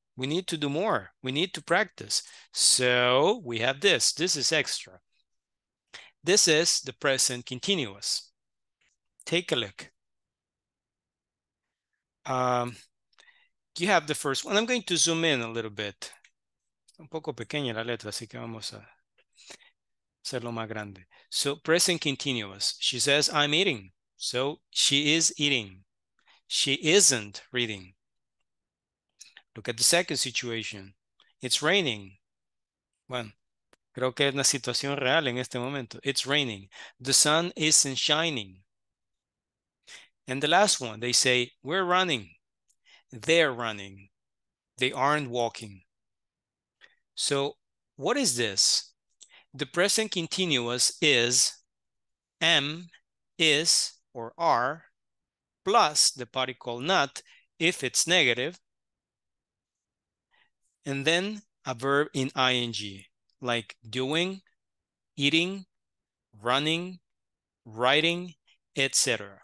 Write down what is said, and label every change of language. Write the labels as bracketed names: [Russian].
[English] We need to do more. We need to practice. So we have this. This is extra. This is the present continuous. Take a look. You have the first one. I'm going to zoom in a little bit. [Spanish] Un poco pequeña la letra, así que vamos a hacerlo más grande. [English] So present continuous. She says, I'm eating. So she is eating. She isn't reading. Look at the second situation. It's raining. [Spanish] Bueno, creo que es una situación real en este momento. [English] It's raining. The sun isn't shining. And the last one, they say, we're running. They're running. They aren't walking. So what is this? The present continuous is am, is, or are, plus the particle not, if it's negative, and then a verb in ing, like doing, eating, running, writing, etc.